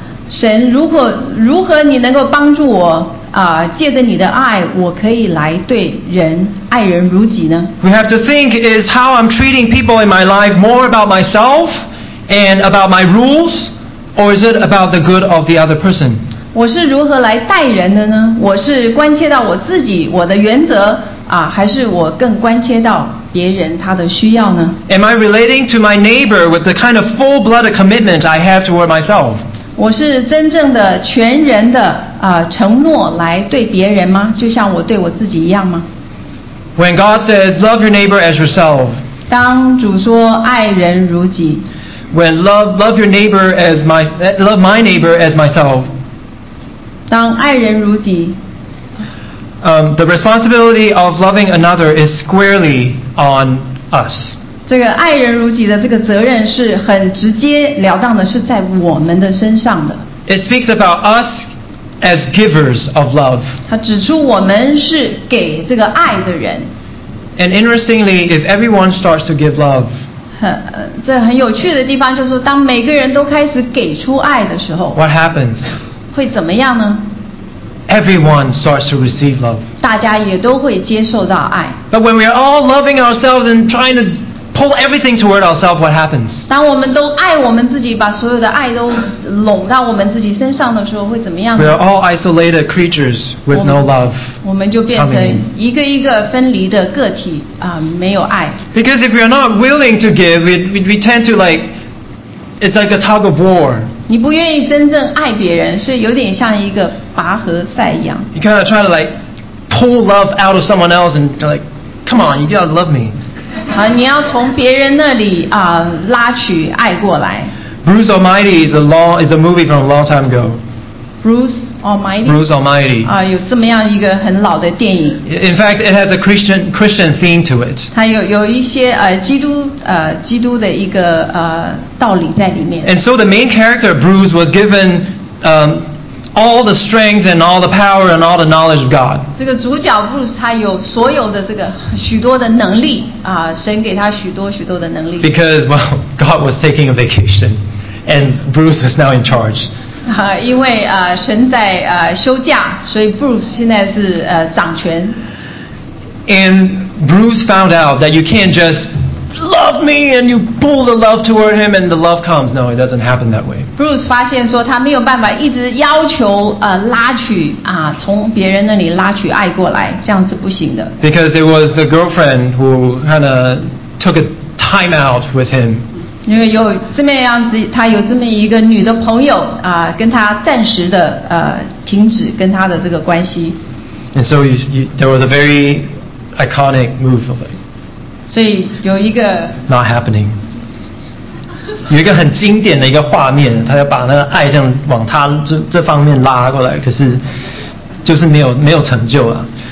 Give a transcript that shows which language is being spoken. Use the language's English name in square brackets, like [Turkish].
[Chinese] 神如何你能够帮助我借着你的爱我可以来对人爱人如己呢？ [English] We have to think is how I'm treating people in my life more about myself and about my rules, or is it about the good of the other person? [Chinese] 我是如何来待人的呢？我是关切到我自己我的原则啊，还是我更关切到别人他的需要呢？ [English] Am I relating to my neighbor with the kind of full-blooded commitment I have toward myself? [Chinese] 我是真正的全人的啊承诺来对别人吗？就像我对我自己一样吗？ [English] When God says love your neighbor as yourself, [Chinese] 当主说爱人如己。 [English] When love your neighbor as love my neighbor as myself. [Chinese] 当爱人如己 [English] the responsibility of loving another is squarely on us. [Chinese] 这个爱人如己的这个责任是很直接了当的，是在我们的身上的。 [English] It speaks about us as givers of love. [Chinese] 它指出我们是给这个爱的人。 [English] And interestingly, if everyone starts to give love, [Chinese] 这很有趣的地方就是说，当每个人都开始给出爱的时候， [English] What happens? [Chinese] 会怎么样呢？ [English] Everyone starts to receive love. [Chinese] 大家也都会接受到爱。 [English] But when we are all loving ourselves and trying to pull everything toward ourselves, what happens? [Chinese] 当我们都爱我们自己，把所有的爱都拢到我们自己身上的时候，会怎么样呢？ [English] We are all isolated creatures with no love. [Chinese] 我们就变成一个一个分离的个体啊，没有爱。 [English] Because if we are not willing to give, we tend to like, it's like a tug of war. [Chinese] 你不愿意真正爱别人，是有点像一个拔河赛一样。 [English] You kind of try to like pull love out of someone else and like, come on, you gotta love me. [Chinese] 你要从别人那里啊拉取爱过来。 [English] Bruce Almighty is a movie from a long time ago. Bruce Almighty. [Chinese] 啊，有这么样一个很老的电影。 [English] In fact, it has a Christian theme to it. [Chinese] 它有一些基督的一个道理在里面。 [English] And so the main character Bruce was given all the strength and all the power and all the knowledge of God. [Chinese] 这个主角 Bruce 他有所有的这个许多的能力啊，神给他许多许多的能力。 [English] Because well, God was taking a vacation, and Bruce is now in charge. [Chinese] 因为神在休假，所以 Bruce 现在是掌权。 [English] And Bruce found out that you can't just love me and you pull the love toward him and the love comes. No, it doesn't happen that way. [Chinese] Bruce 发现说他没有办法一直要求拉取啊，从别人那里拉取爱过来，这样是不行的。 [English] Because it was the girlfriend who kind of took a time out with him. [Chinese] 因为有这么样子，他有这么一个女的朋友啊，跟他暂时的停止跟他的这个关系。 [English] And so there was a very iconic move of it. [Chinese] 所以有一个 [English] not happening. [Chinese] 有一个很经典的一个画面，他要把那个爱这样往他这方面拉过来，可是就是没有成就啊。